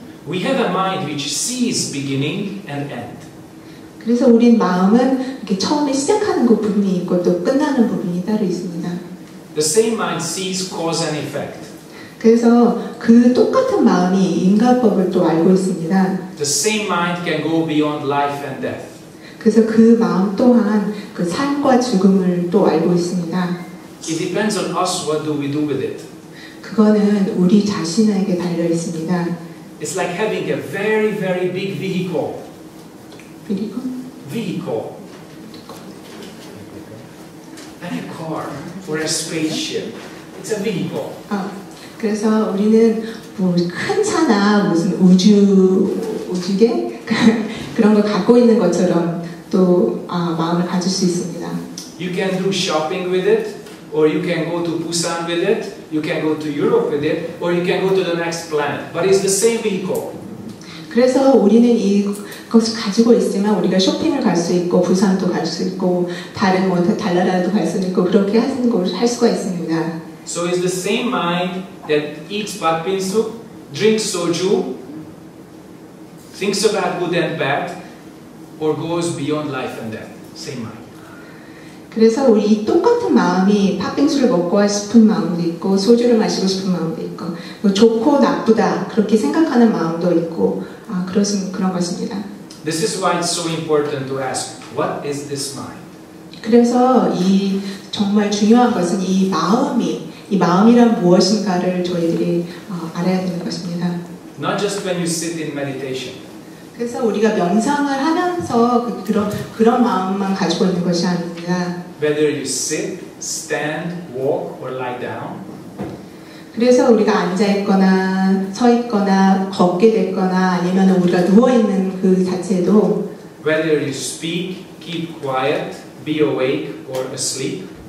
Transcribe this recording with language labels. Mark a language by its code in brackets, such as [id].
[en] We have a mind which sees beginning and end. [ko] 그래서 우리 마음은 이렇게 처음에 시작하는 그 부분이 있고 또 끝나는 부분이 따로 있습니다. [en] The same mind sees cause and effect. [ko] 그래서 그 똑같은 마음이 인과법을 또 알고 있습니다. [en] The same mind can go beyond life and death. [ko] 그래서 그 마음 또한 그 삶과 죽음을 또 알고 있습니다. [en] It depends on us what do we do with it. [ko] 그거는 우리 자신에게 달려 있습니다. [en] It's like having a very very big vehicle. Vehicle. Like a car or a spaceship. It's a vehicle. [ko] 그래서 우리는 뭐 큰 차나 무슨 우주계 그런 걸 갖고 있는 것처럼 또 마음을 가질 수 있습니다. [en] You can do shopping with it. Or you can go to Busan with it, you can go to Europe with it, or you can go to the next planet. But it's the same vehicle. [ko] 그래서 우리는 이것을 가지고 있지만 우리가 쇼핑을 갈 수 있고 부산도 갈 수 있고 다른 곳에 달나라도 갈 수 있고 그렇게 하는 것을 할 수가 있습니다. [en] So it's the same mind that eats bakbin soup, drinks soju, thinks about good and bad, or goes beyond life and death. Same mind. [ko] 그래서 우리 똑같은 마음이 팥빙수를 먹고 싶은 마음도 있고 소주를 마시고 싶은 마음도 있고 뭐 좋고 나쁘다 그렇게 생각하는 마음도 있고 그런 것입니다. [en] This is why it's so important to ask, what is this mind? [ko] 그래서 이 정말 중요한 것은 이 마음이 이 마음이란 무엇인가를 저희들이 알아야 되는 것입니다. [en] Not just when you sit in meditation. [ko] 그래서 우리가 명상을 하면서 그런 마음만 가지고 있는 것이 아닙니다. [en] Whether you sit, stand, walk, or lie down. [ko] 그래서 우리가 앉아 있거나 서 있거나 걷게 됐거나 아니면 우리가 누워 있는 그 자체도 [en] whether you speak, keep quiet, be awake or asleep.